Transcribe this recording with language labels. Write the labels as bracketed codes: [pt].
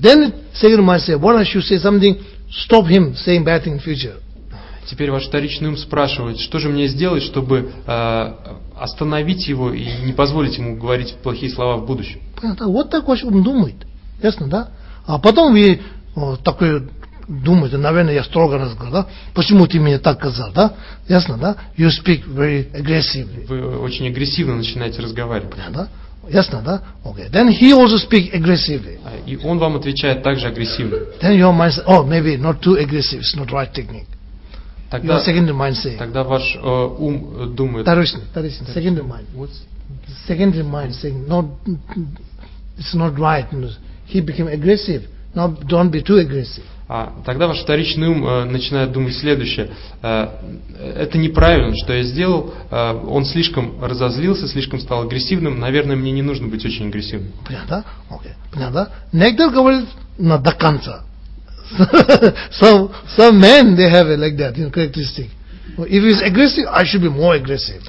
[en] Then second mind say, what I should say something, stop him saying bad thing in future. [ru] Теперь ваш вторичный ум спрашивает, что же мне сделать, чтобы остановить его и не позволить ему говорить плохие слова в будущем. Понятно. Вот так ваш ум думает. Ясно, да? А потом вы такой думаете, наверное, я строго разговариваю, да? Почему ты меня так сказал, да? Ясно, да? [en] You speak very aggressively. [ru] Вы очень агрессивно начинаете разговаривать. Понятно, да? Ясно, да? [en] Okay. Then he also speak aggressively. [ru] И он вам отвечает также агрессивно. [en] Then your mind says, oh, maybe not too aggressive, it's not right technique. [ru] Тогда, [en] your secondary mind say. [ru] Тогда ваш ум думает. [en] Вторичный. Secondary mind. What's secondary mind saying? Not, it's not right. He became aggressive. Now don't be too aggressive. [ru] А тогда ваш вторичный ум начинает думать следующее: это неправильно, что я сделал. Он слишком разозлился, слишком стал агрессивным. Наверное, мне не нужно быть очень агрессивным. Понятно? Окей. Okay. Понятно? Некто говорит на до конца. [en] Some men they have it like that, you know, characteristic. If he's aggressive, I should be more aggressive.